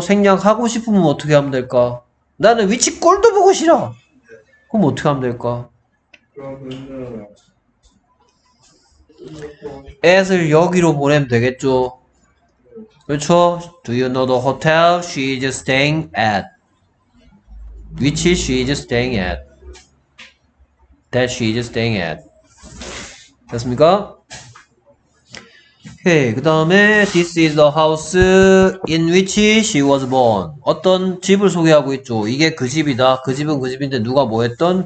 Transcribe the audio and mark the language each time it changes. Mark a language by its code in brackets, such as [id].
[ko] 생략하고 싶으면 어떻게 하면 될까? 나는 위치 꼴도 보고 싫어. 그럼 어떻게 하면 될까? 그러면 at을 여기로 보내면 되겠죠. 그렇죠. [en] Do you know the hotel she is staying at? Which she is staying at? That she is staying at. [ko] 됐습니까? 오케이. 그 다음에 [en] This is the house in which she was born. [ko] 어떤 집을 소개하고 있죠. 이게 그 집이다. 그 집은 그 집인데 누가 뭐 했던?